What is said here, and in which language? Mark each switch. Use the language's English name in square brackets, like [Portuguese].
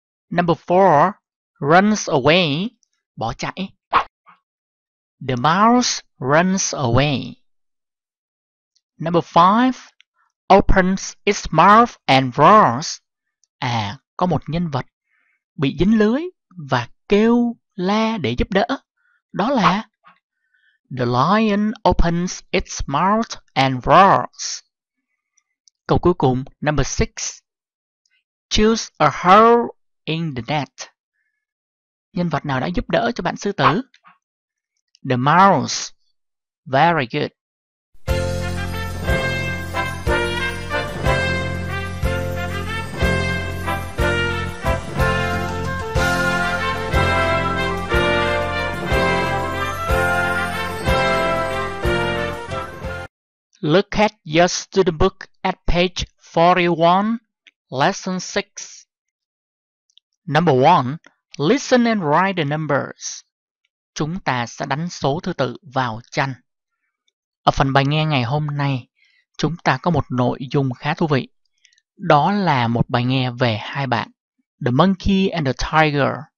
[English] Number 4, runs away. [Vietnamese] Bỏ chạy. [English] The mouse runs away. Number 5, opens its mouth and roars. [Vietnamese] À, có một nhân vật bị dính lưới và kêu la để giúp đỡ. Đó là [English] the lion opens its mouth and roars. [Vietnamese] Câu cuối cùng, [English] number 6, choose a hole in the net. [Vietnamese] Nhân vật nào đã giúp đỡ cho bạn sư tử? [English] The mouse. Very good. Look at your student book at page 41, lesson 6. Number 1, listen and write the numbers. [Vietnamese] Chúng ta sẽ đánh số thứ tự vào tranh. Ở phần bài nghe ngày hôm nay, chúng ta có một nội dung khá thú vị. Đó là một bài nghe về hai bạn, The Monkey and the Tiger.